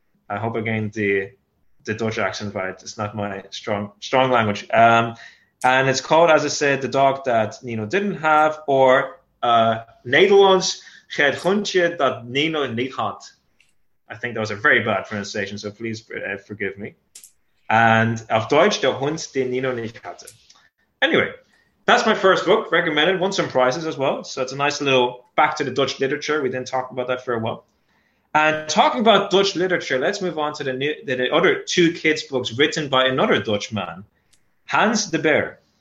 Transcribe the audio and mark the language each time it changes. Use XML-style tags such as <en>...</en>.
<en>I hope again the Dutch accent, right? It's not my strong language. And it's called, as I said, The Dog That Nino Didn't Have, or Nederlands,</en> <nl>het hondje dat Nino niet had.</nl> <en>I think that was a very bad pronunciation, so please forgive me.</en> <de>And auf Deutsch, der Hund, den Nino nicht hatte.</de> <en>Anyway, that's my first book, recommended, won some prizes as well. So it's a nice little back to the Dutch literature. We didn't talk about that for a while. And talking about Dutch literature, let's move on to the other two kids' books written by another Dutch man, Hans de Bear.</en>